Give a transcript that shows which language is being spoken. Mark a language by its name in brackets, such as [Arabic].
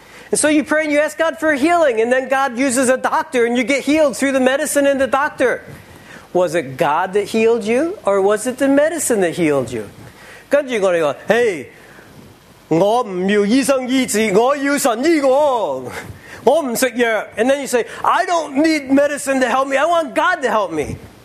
[English] And so you pray and you ask God for healing, and then God uses a doctor, and you get healed through the medicine and the doctor. Was it God that healed you, or was it the medicine that healed you? [Chinese] 跟着我们说, hey, 我不要医生医治,我要神医我. 我不吃药. [English] And then you say, I don't need medicine to help me, I want God to help me.